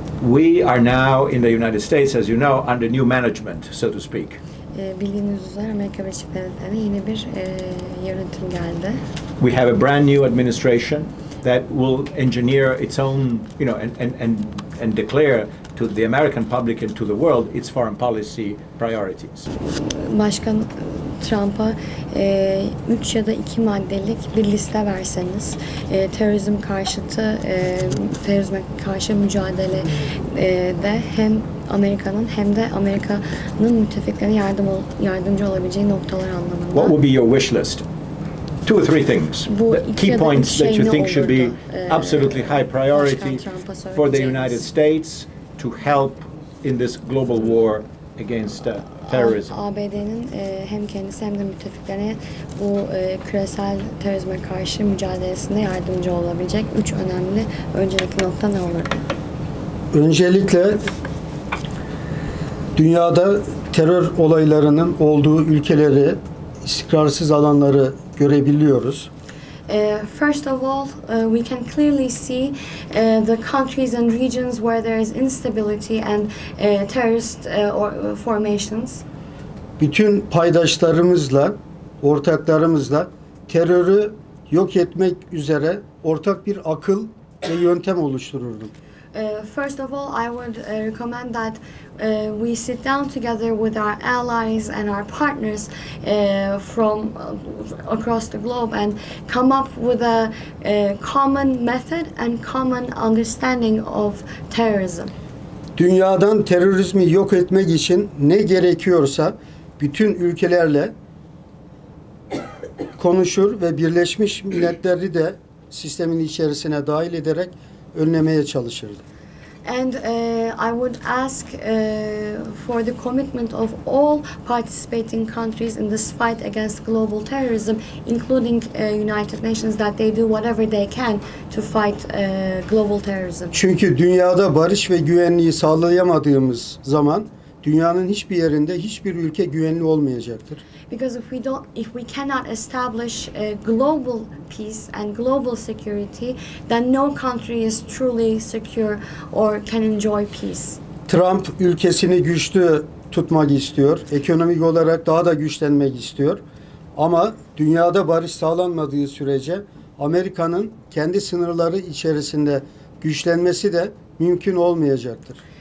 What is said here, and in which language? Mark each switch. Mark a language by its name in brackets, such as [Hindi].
[English] We are now in the United States, as you know, under new management, so to speak. [Turkish] Bildiğiniz üzere Amerika Birleşik Devletleri'ne yeni bir yönetim geldi. [English] We have a brand new administration that will engineer its own, you know, and declare to the American public and to the world its foreign policy priorities. [Turkish] Başkan Trump'a 3 ya da 2 maddelik bir liste verseniz, terörizme karşı mücadele de hem Amerika'nın hem de Amerika'nın müttefiklerine yardımcı olabileceği noktalar anlamında. [English] What would be your wish list? Two or three things, the key points that you think should be absolutely high priority for the United States to help in this global war against terrorism. [Turkish] ABD'nin hem kendisi hem de müttefiklerine bu küresel terörizme karşı mücadelesinde yardımcı olabilecek üç önemli öncelikli nokta ne olur? Öncelikle dünyada terör olaylarının olduğu ülkeleri, istikrarsız alanları görebiliyoruz. [English] First of all, we can clearly see the countries and regions where there is instability and terrorist formations. [Turkish] Bütün paydaşlarımızla, ortaklarımızla terörü yok etmek üzere ortak bir akıl ve yöntem oluştururduk. [English] First of all, I would recommend that we sit down together with our allies and our partners from across the globe and come up with a common method and common understanding of terrorism. [Turkish] Dünyadan terörizmi yok etmek için ne gerekiyorsa bütün ülkelerle konuşur ve Birleşmiş Milletleri de sistemin içerisine dahil ederek önlemeye çalışırdı. [English] And I would ask for the commitment of all participating countries in this fight against global terrorism, including United Nations, that they do whatever they can to fight global terrorism. [Turkish] Çünkü dünyada barış ve güvenliği sağlayamadığımız zaman dünyanın hiçbir yerinde hiçbir ülke güvenli olmayacaktır. [English] Because if we cannot establish a global peace and global security, then no country is truly secure or can enjoy peace. [Turkish] Trump ülkesini güçlü tutmak istiyor, ekonomik olarak daha da güçlenmek istiyor. Ama dünyada barış sağlanmadığı sürece Amerika'nın kendi sınırları içerisinde güçlenmesi de mümkün olmayacaktır.